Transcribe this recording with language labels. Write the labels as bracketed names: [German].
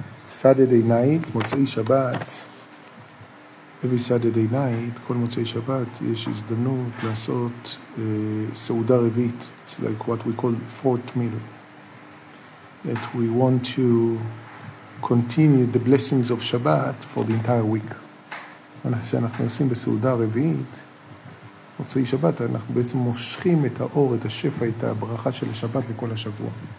[English] Saturday night, [Hebrew] מוצאי שבת. [English] Every Saturday night, [Hebrew] כל מוצאי שבת, יש הזדמנות לעשות סעודה רביעית. [English] It's like what we call fourth meal. That we want to continue the blessings of Shabbat for the entire week. [Hebrew] מה שאנחנו עושים בסעודה רביעית, מוצאי שבת, אנחנו בעצם מושכים את האור, את השפע, את הברכה של השבת לכל השבוע.